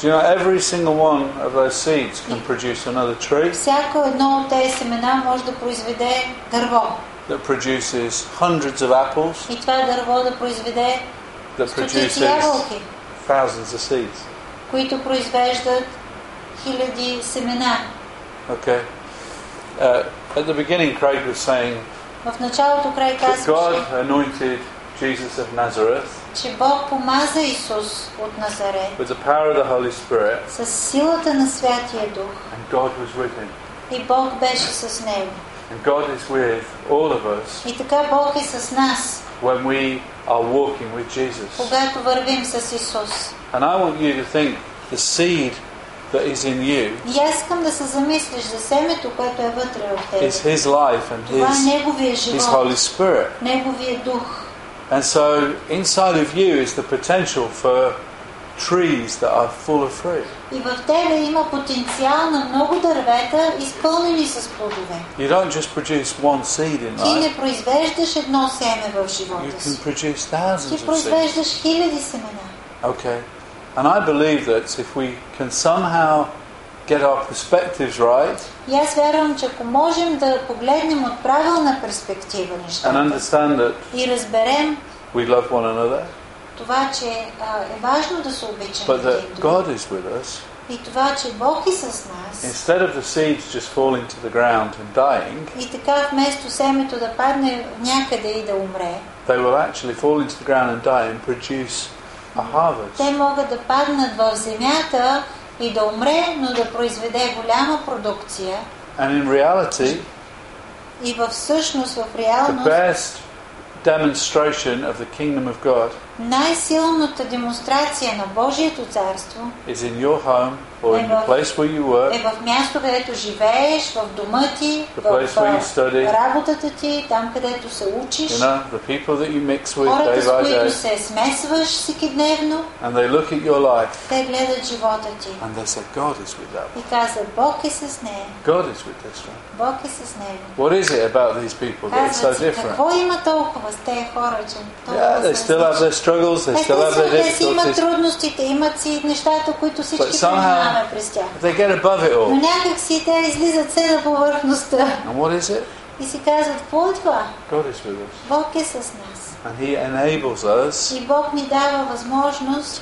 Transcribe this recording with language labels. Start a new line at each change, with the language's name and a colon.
English: Do you know every single one of those seeds can produce another tree?
Bulgarian: Всяко едно от тези семена може да произведе дърво.
English: That produces hundreds of apples.
Bulgarian: И това дърво да произведе
English: that produces thousands of seeds.
Bulgarian: Които произвеждат хиляди семена.
English: Okay. At the beginning, Craig was saying
Bulgarian: в началото Craig
English: that God anointed Jesus of Nazareth.
Bulgarian: Че Бог помаза Исус от Назарет.
English: With the power of the Holy Spirit.
Bulgarian: Със силата на Святия Дух.
English: And God was with him.
Bulgarian: И Бог беше с него.
English: And God is with all of us.
Bulgarian: И така Бог е с нас.
English: When we are walking with Jesus.
Bulgarian: Когато вървим с Исус.
English: And I want you to think the seed that is in you.
Bulgarian: И искам да се замислиш за семето, което е вътре в теб.
English: Is His life and His Holy Spirit.
Bulgarian: Неговия дух.
English: And so inside of you is the potential for trees that are full of fruit.
Bulgarian: И в тебе има потенциал на много дървета, изпълнени с плодове.
English: You don't just produce one seed in life.
Bulgarian: Ти не произвеждаш едно семе в живота.
English: You can produce thousands of seeds.
Bulgarian: Ти произвеждаш хиляди семена.
English: Okay. And I believe that if we can somehow get our perspectives right.
Bulgarian: И аз вярвам, че ако можем да погледнем от правилна перспектива нещата.
English: And understand that.
Bulgarian: И разберем.
English: We love one another.
Bulgarian: Това, че е важно да се обичаме.
English: But that God is with us.
Bulgarian: И това, че Бог е с нас.
English: Instead of the seeds just falling to the ground and dying.
Bulgarian: И така вместо семето да падне някъде и да умре.
English: They will actually fall into the ground and die and produce a harvest.
Bulgarian: Те могат да паднат в земята и да умре, но да произведе голяма продукция.
English: And in reality,
Bulgarian: и в същност, в реалност,
English: the best demonstration of the kingdom of God,
Bulgarian: най-силната демонстрация на Божието царство,
English: is in your home or in the place where you work,
Bulgarian: е в място, където живееш, в дома ти, в работата ти, там където се учиш,
English: you know, the people that you mix with
Bulgarian: хората,
English: day by day,
Bulgarian: с които се смесваш всекидневно,
English: and they look at your life,
Bulgarian: те гледат живота ти,
English: and they say, God is with that.
Bulgarian: И казват, Бог е с нея.
English: God is with this one.
Bulgarian: Бог е с нея.
English: What is it about these people that is so different?
Bulgarian: Какво има толкова с тези хора, че толкова
English: they still have their struggles, they still have their difficulties.
Bulgarian: Те имат трудностите, имат си нещата, които всички преминаваме през тях.
English: They get above it all.
Bulgarian: Но някак си те излизат все на повърхността.
English: And what is it?
Bulgarian: И си казват, какво е това?
English: God is with us.
Bulgarian: Бог е с нас.
English: And He enables us.
Bulgarian: И Бог ни дава възможност